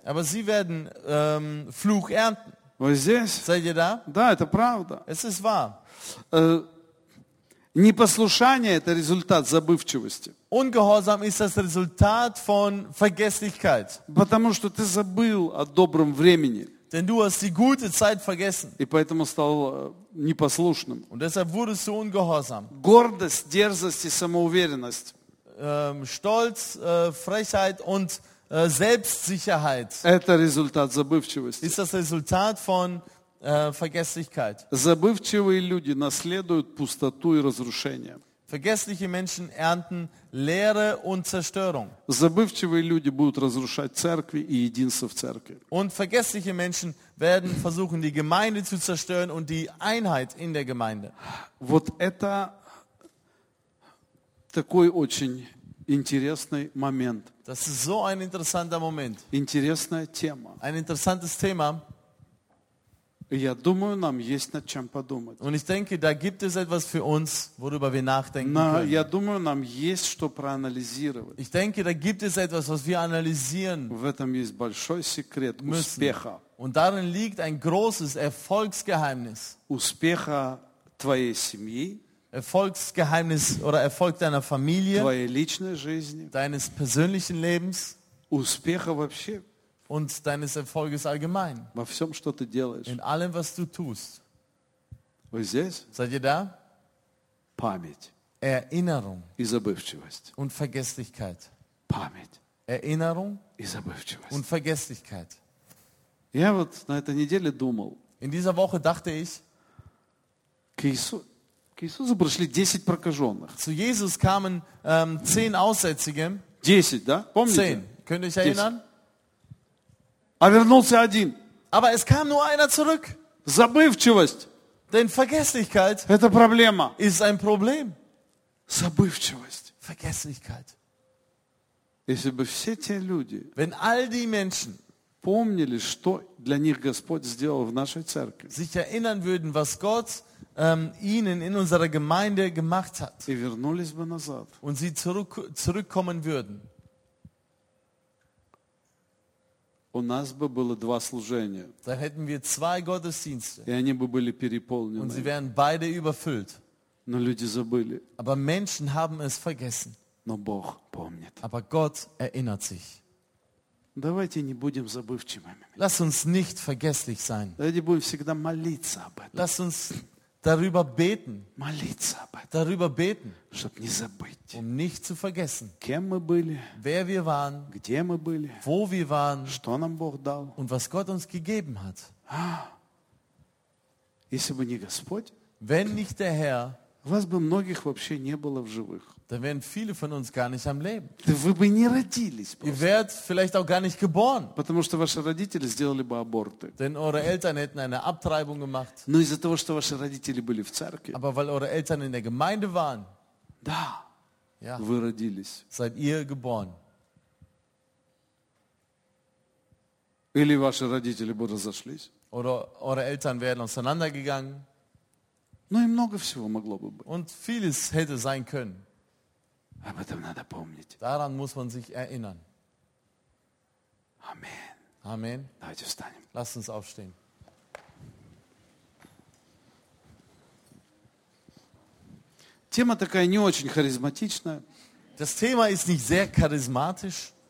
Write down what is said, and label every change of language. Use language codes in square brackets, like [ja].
[de] Aber sie werden Fluch ernten. [ru] Вы здесь? [de] Seid ihr da? [ru] Да, это правда. [de] Es ist wahr. [ru] Непослушание – это результат забывчивости. [de] Ungehorsam ist das Resultat von Vergesslichkeit. [ru] Потому что ты забыл о добром времени. [de] Denn du hast die gute Zeit vergessen. [ru] И поэтому стал непослушным. [de] Und deshalb wurdest du ungehorsam. [ru] Гордость, дерзость и самоуверенность. [de] Stolz, Frechheit und Selbstsicherheit. [ru] Это результат забывчивости. [de] Ist das Resultat von Vergesslichkeit. [ru] Забывчивые люди наследуют пустоту и разрушение. [de] Vergessliche Menschen ernten Leere und Zerstörung. [ru] Забывчивые люди будут разрушать церкви и единство в церкви. [de] Und vergessliche Menschen werden versuchen, die Gemeinde zu zerstören und die Einheit in der Gemeinde. [ru] Вот это такой очень интересный момент. [de] Das ist so ein interessanter Moment. [ru] Интересная тема. [de] Ein interessantes Thema. [ru] Я думаю, нам есть над чем подумать. [de] Und ich denke, da gibt es etwas für uns, worüber wir nachdenken Na, können. [ru] Я думаю, нам есть что проанализировать. [de] Ich denke, da gibt es etwas, was wir analysieren müssen. [ru] В этом есть большой секрет успеха. [de] Und darin liegt ein großes Erfolgsgeheimnis. [ru] Успеха твоей семьи. [de] Erfolgsgeheimnis oder Erfolg deiner Familie. [ru] Твоей личной жизни. [de] Deines persönlichen Lebens. [ru] Успеха вообще. [de] Und deines Erfolges allgemein. [ru] Во всем, что ты делаешь. [de] In allem, was du tust. [ru] Вы здесь? [de] Seid ihr da? [ru] Память. [de] Erinnerung. [ru] И забывчивость. [de] Und Vergesslichkeit. [ru] Память. [de] Erinnerung. [ru] И забывчивость. [de] Und Vergesslichkeit. [ru] Я вот на этой неделе думал. [de] In dieser Woche dachte ich. [ru] К Иисусу пришли 10 прокаженных. [de] Zu Jesus kamen 10 Aussätzige. [ru] 10, да? Помните? [de] 10. Könnt ihr euch erinnern? [ru] А вернулся один. [de] Aber es kam nur einer zurück. [ru] Забывчивость. [de] Denn Vergesslichkeit. [ru] Это проблема. [de] Ist ein Problem. [ru] Забывчивость. [de] Vergesslichkeit. [ru] Если бы все те люди. [de] Wenn all die Menschen. [ru] Помнили, что для них Господь сделал в нашей церкви. [de] Sich erinnern würden, was Gott ihnen in unserer Gemeinde gemacht hat. [ru] И вернулись бы назад. [de] Und sie zurückkommen würden. [ru] У нас бы было два служения. [de] Da hätten wir zwei Gottesdienste. [ru] И они бы были переполнены. [de] Und sie wären beide überfüllt. [ru] Но люди забыли. [de] Aber Menschen haben es vergessen. [ru] Но Бог помнит. [de] Aber Gott erinnert sich. [ru] Давайте не будем забывчивыми. [de] Lass uns nicht vergesslich sein. [ru] Давайте будем всегда молиться об этом. [de] Lass uns darüber beten. [ru] Молиться об этом. [de] Darüber beten. [ru] Чтоб не забыть. [de] Um nicht zu vergessen. [ru] Кем мы были. [de] Wer wir waren. [ru] Где мы были. [de] Wo wir waren. [ru] Что нам Бог дал. [de] Und was Gott uns gegeben hat. [ru] Если бы не Господь. [de] Wenn nicht der Herr. [ru] Вас бы многих вообще не было в живых. [de] Dann wären viele von uns gar nicht am Leben. [ru] Да вы бы не родились просто. [de] Ihr wärt vielleicht auch gar nicht geboren. [ru] Потому что ваши родители сделали бы аборты. [de] Denn eure Eltern hätten eine Abtreibung gemacht. [ru] Но из-за того, что ваши родители были в церкви. [de] Aber weil eure Eltern in der Gemeinde waren. [ru] Да. [de] Ja. [ru] Вы родились. [de] Seid ihr geboren. [ru] Или ваши родители бы разошлись. [de] Oder eure Eltern wären auseinandergegangen. [ru] Ну и много всего могло бы быть. [de] Und vieles hätte sein können. [ru] Об этом надо помнить. [de] Daran muss man sich erinnern. Amen. Amen. [ru] Давайте встанем. [de] Lass uns aufstehen. [ru] Тема такая не очень харизматичная. [de] Das Thema ist nicht sehr charismatisch.